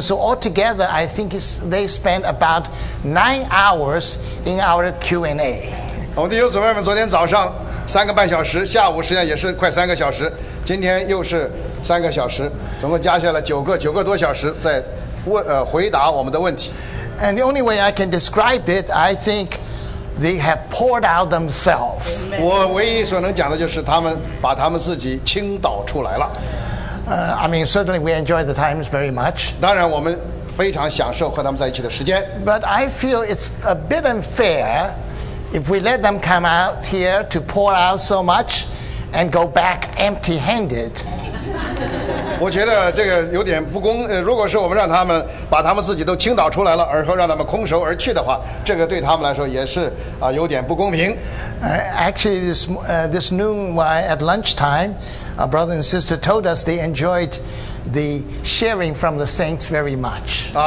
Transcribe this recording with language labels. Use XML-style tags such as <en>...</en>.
<en>So altogether, I think they spent about 9 hours in our Q&A.</en> <zh>我们弟兄姊妹们昨天早上三个半小时，下午实际上也是快三个小时。今天又是三个小时，总共加下来九个多小时在回答我们的问题。</zh> <en>And the only way I can describe it, I think they have poured out themselves.</en> <zh>我唯一所能讲的就是他们把他们自己倾倒出来了。</zh> <en>I mean, certainly we enjoy the times very much.</en> <zh>当然我们非常享受和他们在一起的时间。</zh> <en>But I feel it's a bit unfair if we let them come out here to pour out so much. And go back empty-handed.</en> <zh>我觉得这个有点不公。如果是我们让他们把他们自己都倾倒出来了，而后让他们空手而去的话，这个对他们来说也是有点不公平。</zh> <en>Actually, this noon at lunchtime, a brother and sister told us they enjoyed the sharing from the saints very much.</en>